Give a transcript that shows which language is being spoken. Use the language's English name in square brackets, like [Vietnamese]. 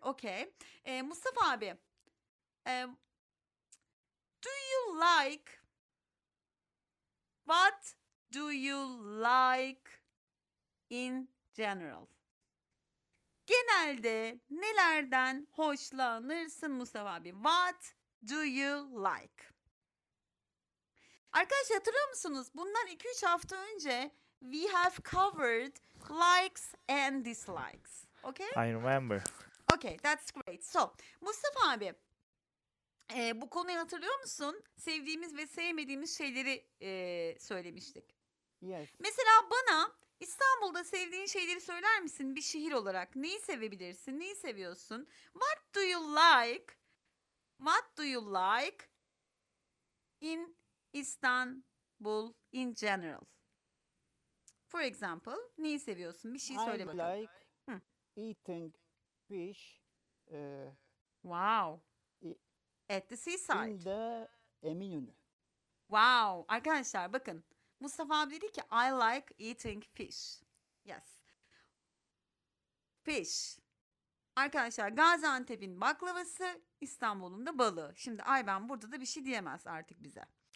[English] Okay, Mustafa abi, do you like? What do you like in general? [Turkish] Genelde nelerden hoşlanırsın Mustafa abi? [English] What do you like? [Turkish] Arkadaşlar hatırlıyor musunuz? Bundan 2-3 hafta önce [English] we have covered likes and dislikes. Okay? I remember. Okay, that's great. [Turkish] So, Mustafa abi, bu konuyu hatırlıyor musun? Sevdiğimiz ve sevmediğimiz şeyleri söylemiştik. [English] Yes. [Turkish] Mesela bana İstanbul'da sevdiğin şeyleri söyler misin bir şehir olarak? Neyi sevebilirsin? Neyi seviyorsun? [English] What do you like? What do you like in Istanbul in general? For example, [Turkish] neyi seviyorsun? Bir şey söyle bakalım. [English] I like eating fish. Wow. At the seaside. In the Eminönü. [Turkish] Wow. Arkadaşlar bakın. Mustafa abi dedi ki [English] I like eating fish. Yes. Fish. [Turkish] Arkadaşlar Gaziantep'in baklavası, İstanbul'un da balığı. Şimdi Ayben burada da bir şey diyemez artık bize.